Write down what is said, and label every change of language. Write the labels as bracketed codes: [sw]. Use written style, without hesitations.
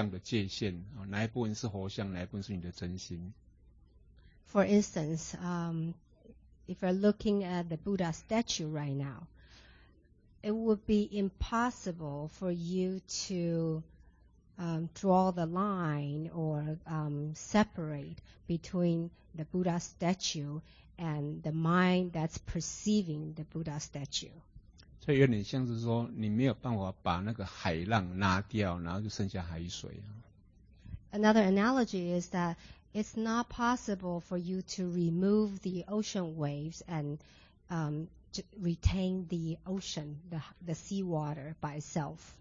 [zh] 譬如说你们看到佛像，对不对？那你没办法去切割，你跟佛像的界限，哪一部分是佛像，哪一部分是你的真心。 [en] For instance, if you're looking at the Buddha statue right now, it would be impossible for you to draw the line or separate between the Buddha statue and the mind that's perceiving the Buddha statue. [zh] 所以有点像是说，你没有办法把那个海浪拿掉，然后就剩下海水。 [en] Another analogy is that it's not possible for you to remove the ocean waves and to retain the ocean, the seawater by itself.